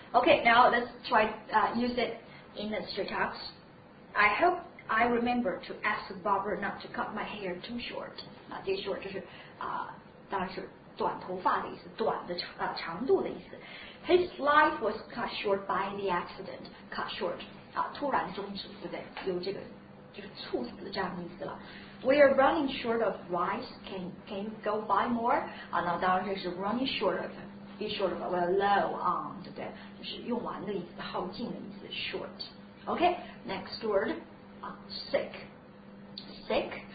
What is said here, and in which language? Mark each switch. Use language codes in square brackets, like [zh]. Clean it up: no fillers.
[en] Okay, now let's try use it in the straight talks. I hope I remember to ask barber not to cut my hair too short. [zh] 啊，这 short 就是啊，当然是短头发的意思，短的啊长度的意思。 [en] His life was cut short by the accident. [zh] Cut short，啊，突然终止，对不对？有这个。就是猝死这样的意思了。 [en] We are running short of rice. Can you go buy more? 啊，那当然这是 running short of， be short of， well low on，对不对？ [zh] 就是用完的意思，耗尽的意思。 [en] Short. Okay. Next word. 啊 ，sick. Sick.